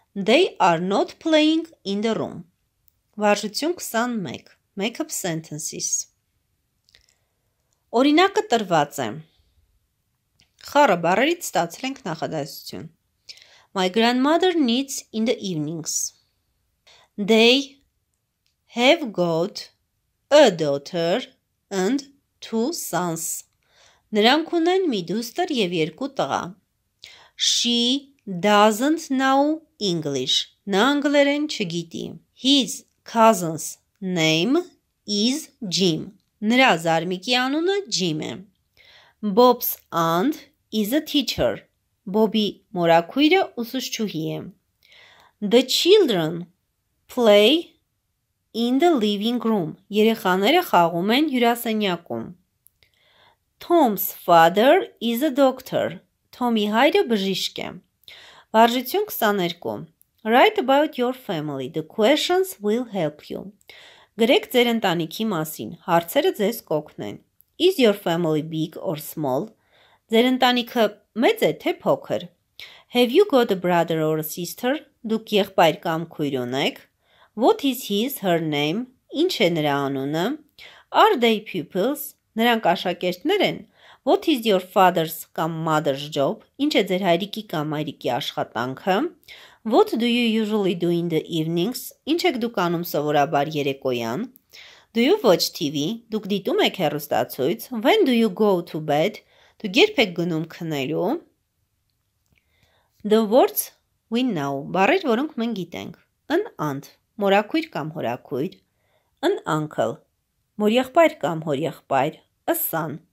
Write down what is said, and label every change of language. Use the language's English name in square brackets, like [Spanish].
[English] They are not playing in the room. [Armenian] Վարժություն 21. [English] Make up sentences. [Armenian] Օրինակը տրված է. Խառը բառերից ստացել ենք նախադասություն. [English] My grandmother knits in the evenings. They have got a daughter and two sons. [Armenian] Նրանք ունեն մի դուստր և երկու տղա. [English] She doesn't know English. [Armenian] Նա անգլերեն չգիտի. [English] His cousin's name is Jim. [Armenian] Նրա զարմիկի անունը Jim է. [English] Bob's aunt is a teacher. [Armenian] Բոբի մորաքույրը ուսուցչուհի է. [English] The children play in the living room. [Armenian] Երեխաները խաղում են հյուրասենյակում. [English] Tom's father is a doctor. [Armenian] Թոմի հայրը բժիշկ է. Վարժություն 22. [English] Write about your family. The questions will help you. [Armenian] Գրեք ձեր ընտանիքի մասին, հարցերը ձեզ կօգնեն. [English] Is your family big or small? [Armenian] Ձեր ընտանիքը մեծ է թե փոքր? [English] Have you got a brother or a sister? [Armenian] Դուք եղբայր կամ քույր ունեք? [English] What is his, her name? [Armenian] Ինչ է նրա անունը? [English] Are they pupils? [Armenian] Նրանք աշակերտներ են? [English] What is your father's կամ mother's job? [Armenian] Ինչ է ձեր հայրիկի կամ մայրիկի աշխատանքը? [English] What do you usually do in the evenings? [Armenian] Ինչ եք դուք անում սովորաբար երեկոյան? [English] Do you watch TV? [Armenian] Դուք դիտում եք հեռուստացույց? [English] When do you go to bed? [Armenian] Դուք երբ եք գնում քնելու? [English] The words we know. [Armenian] Բառեր, որոնք մենք գիտենք. An aunt. Մորաքույր կամ հորաքույր. An uncle. Մորեղբայր կամ հորեղբայր. A son.